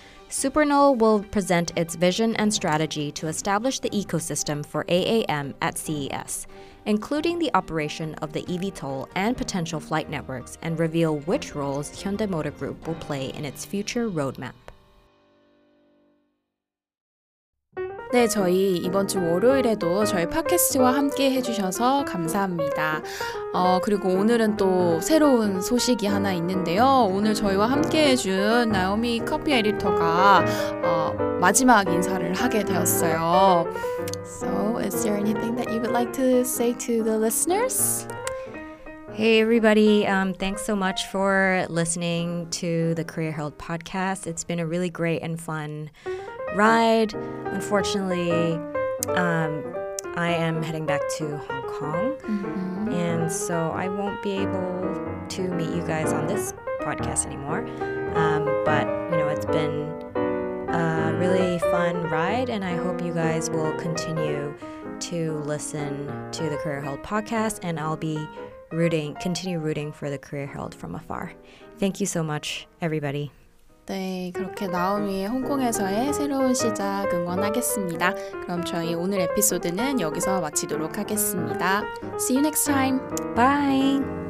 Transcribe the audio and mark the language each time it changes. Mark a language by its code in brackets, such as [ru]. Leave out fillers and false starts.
[en] SuperNull will present its vision and strategy to establish the ecosystem for AAM at CES, including the operation of the eVTOL and potential flight networks, and reveal which roles Hyundai Motor Group will play in its future roadmap. [ko] 네, 저희 이번 주 월요일에도 저희 팟캐스트와 함께 해주셔서 감사합니다. 그리고 오늘은 또 새로운 소식이 하나 있는데요. 오늘 저희와 함께 해준 나오미 커피 에디터가 마지막 인사를 하게 되었어요. [en] So, is there anything that you would like to say to the listeners? Hey everybody, thanks so much for listening to the Career Herald podcast. It's been a really great and fun ride. Unfortunately, I am heading back to Hong Kong, and so I won't be able to meet you guys on this podcast anymore. But, you know, it's been a really fun ride, and I hope you guys will continue to listen to the Career Herald podcast, and I'll be continue rooting for the Career Herald from afar. Thank you so much, everybody. [ko] 네, 그렇게 나오미의 홍콩에서의 새로운 시작 응원하겠습니다. 그럼 저희 오늘 에피소드는 여기서 마치도록 하겠습니다. [en] See you next time. Bye.